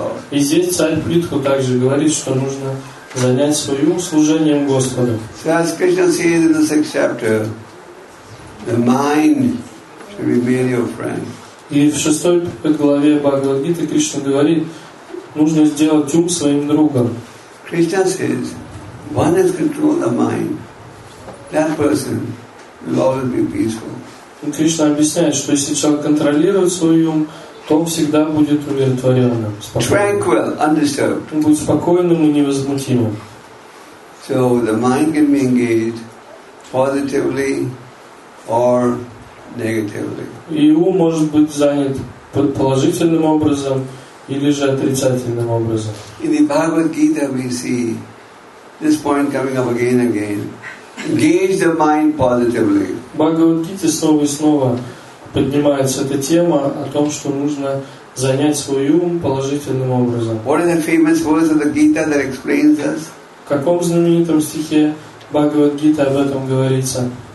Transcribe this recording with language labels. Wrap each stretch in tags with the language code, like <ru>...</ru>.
<ru>И здесь царь Притху также говорит, что нужно занять свой ум служением Господу.</ru> <en>As Krishna says in the sixth chapter, the mind should be merely your friend.</en> <ru>И в шестой главе Бхагавад-гиты Кришна говорит, нужно сделать ум своим другом.</ru> <en>Krishna says, one has control the mind, that person will always be peaceful.</en> <ru>Кришна объясняет, что если человек контролирует свой ум, то он всегда будет умиротворенным, спокойным.</ru> <en>Tranquil, undisturbed.</en> <ru>Он будет спокойным и невозмутимым.</ru> <en>So the mind can be engaged positively or negatively.</en> <ru>И ум может быть занят положительным образом или же отрицательным образом.</ru> <en>In the Bhagavad Gita we see this point coming up again and again. Engage the mind positively.</en> <ru>В Бхагавад-гите снова и снова поднимается эта тема о том, что нужно занять свой ум положительным образом.</ru> <en>What are the famous words of the Gita that explains this?</en> <ru>В каком знаменитом стихе Бхагавад-гита об этом говорится?</ru>